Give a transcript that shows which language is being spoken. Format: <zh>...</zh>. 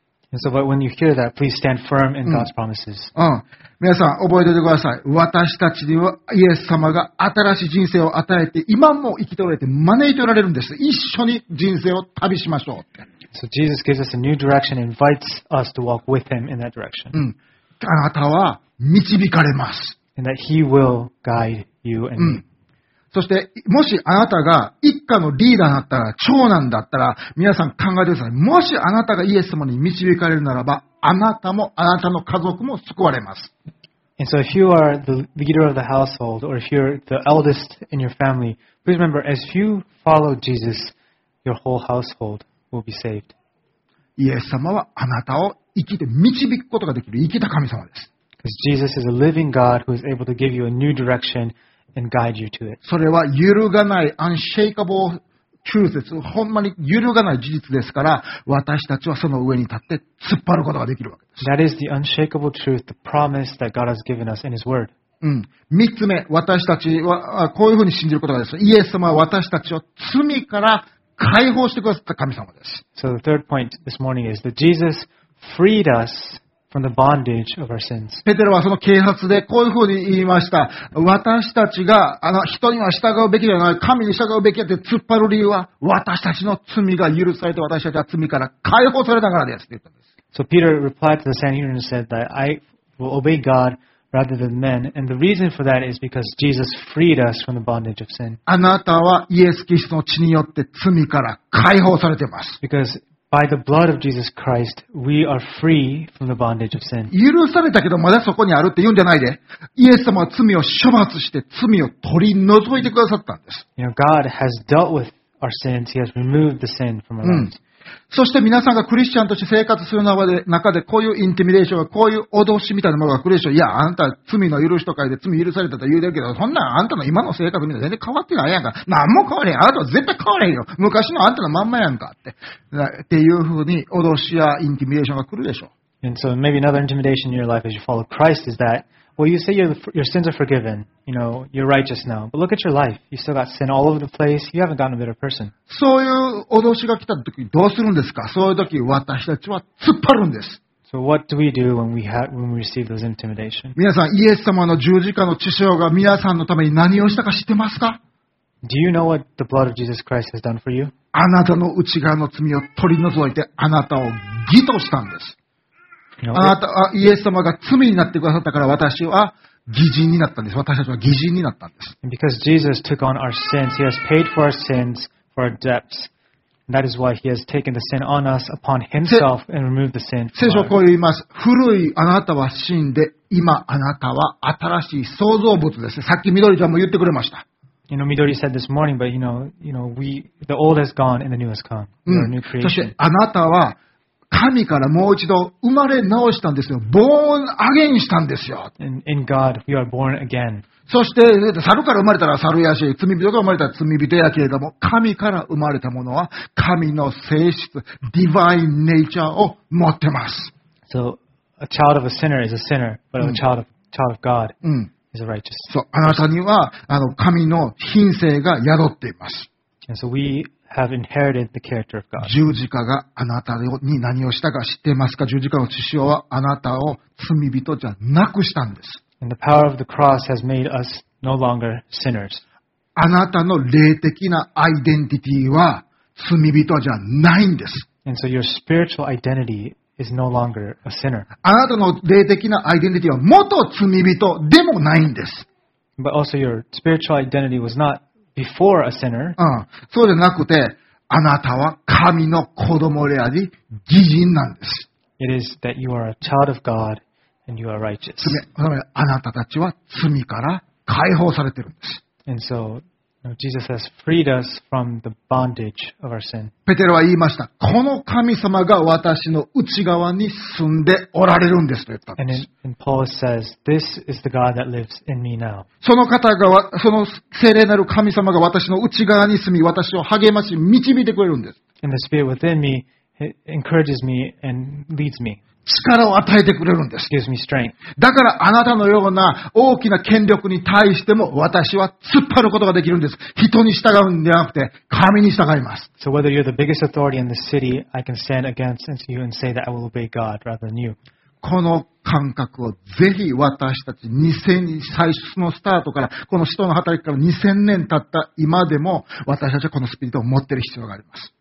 <en>And so, but when you hear that, please stand firm in God's promises.</en> <ja>皆さん、覚えておいてください。私たちには、イエス様が新しい人生を与えて、今も生きておられて、招いておられるんです。一緒に人生を旅しましょう。</ja> <en>So, Jesus gives us a new direction, invites us to walk with him in that direction.</en> <ja>あなたは、導かれます。</ja> <en>And that he will guide you and me.</en> <ja>そしてもしあなたが一家のリーダーだったら長男だったら皆さん考えてください。もしあなたがイエス様に導かれるならばあなたもあなたの家族も救われます。</ja> <en>And so if you are the leader of the household or if you're the eldest in your family, please remember as you follow Jesus, your whole household will be saved.</en> <ja>イエス様はあなたを生きて導くことができる生きた神様です。</ja> <en>Because Jesus is a living God who is able to give you a new directionAnd guide you to it.</en> <ja>それは揺るがない unshakable 中説、ほんまに揺るがない事実ですから、私たちはその上に立って突っ張ることができるわけです。</ja> <en>That is the unshakable truth, the promise that God has given us in His Word.</en> <ja>三つ目、私たちはこういうふうに信じることができる。イエス様は私たちを罪から解放してくださった神様です。</ja> <en>So the third point this morning is that Jesus freed us. From the bondage of our sins.</en> <ja>ペテロはその啓発でこういうふうに言いました。私たちが人には従うべきではない、神に従うべきだって突っ張る理由は、私たちの罪が許されて、私たちは罪から解放されたからですって言ったんです。</ja> <en>So Peter replied to the Sanhedrin and said that I will obey God rather than men, and the reason for that is because Jesus freed us from the bondage of sin.</en> <ja>あなたはイエス・キリストの血によって罪から解放されてます。</ja> <en>Because By the blood of Jesus Christ, we are free from the bondage of sin.</en> <ja>許されたけどまだそこにあるって言うんじゃないで。イエス様は罪を処罰して罪を取り除いてくださったんです。</ja> <en>You know, God has dealt with our sins. He has removed the sin from our lives.</en> <ja>そして皆さんがクリスチャンとして生活する中でこういうインティミデーションがこういう脅しみたいなものがクリスチャン、いや、あんた罪の許しと書いて罪許されたと言うてるけど、そんなあんたの今の生活みたいな全然変わってないやんか。何も変われへん。あなたは絶対変われへんよ。昔のあんたのまんまやんかって。っていうふうに脅しやインティミデーションが来るでしょ。</ja> <en>And so maybe another intimidation in your life as you follow Christ is that, well, you say your sins are forgiven. You know, you're righteous now. But look at your life. You still got sin all over the place. You haven't gotten a better person.</en> <ja>そういう脅しが来た時どうするんですか？そういう時私たちは突っ張るんです。</ja> <en>So what do we do when we receive those intimidation?</en> <ja>皆さん、イエス様の十字架の血潮が皆さんのために何をしたか知ってますか？</ja> <en>Do you know what the blood of Jesus Christ has done for you?</en> <ja>あなたの内側の罪を取り除いてあなたを義としたんです。あなたはイエス様が罪になってくださったから私は義人になったんです。私たちは義人になったんです。</ja> <en>Because Jesus took on our sins, He has paid for our sins, for our debts. That is why He has taken the sin on us upon Himself and removed the sin.</en> <ja>聖書はこう言います。古いあなたは死んで、今あなたは新しい創造物です。さっきみどりちゃんも言ってくれました。</ja> <en>You know, Midori said this morning, but you know, the old has gone and the new has come. We're a new creation.</en> <ja>そしてあなたは神からもう一度生まれ直したんですよ。</ja> <en>Born again</en> <ja>したんですよ。</ja> <en>In God, we are born again.</en> <ja>そして、猿から生まれたら猿やし、罪人から生まれたら罪人やけれども、神から生まれたものは神の性質、</ja> <en>divine nature</en> <ja>を持ってます。</ja> <en>So, a child of a sinner is a sinner, but a child of God is a righteous.</en> <ja>そう、あなたには神の品性が宿っています。</ja> <en>And so we,Have inherited the character of God.</en> <ja>十字架があなたに何をしたか知ってますか？十字架の血潮はあなたを罪人じゃなくしたんです。</ja> <en>And the power of the cross has made us no longer sinners.</en> <ja>あなたの霊的なアイデンティティは罪人じゃないんです。</ja> <en>And so your spiritual identity is no longer a sinner.</en> <ja>あなたの霊的なアイデンティティは元罪人でもないんです。</ja> <en>But also your spiritual identity was not. Before a sinner,</en> <ja>そうじゃなくて、あなたは神の子供であり、義人なんです。</ja> <en>It is that you are a child of God and you are righteous.</en> <ja>あなたたちは罪から解放されているんです。</ja> <en>And so, you know, Jesus has freed us from the bondage of our sin.</en> <ja>ペテロは言いました。この神様が私の内側に住んでおられるんですと言ったんです。</ja> <en>And Paul says, This is the God that lives in me now.</en> <ja>その方が、その聖霊なる神様が私の内側に住み、私を励まし、導いてくれるんです。</ja> <en>And the Spirit within me encourages me and leads me.</en> <ja>力を与えてくれるんです。</ja> <en>Gives me strength.</en> <ja>だからあなたのような大きな権力に対しても私は突っ張ることができるんです。人に従うんではなくて、神に従います。</ja> <en>So whether you're the biggest authority in the city, I can stand against you and say that I will obey God rather than you.</en> <ja>この感覚をぜひ私たち2000年最初のスタートからこの使徒の働きから2000年経った今でも私たちはこのスピリットを持っている必要があります。</ja>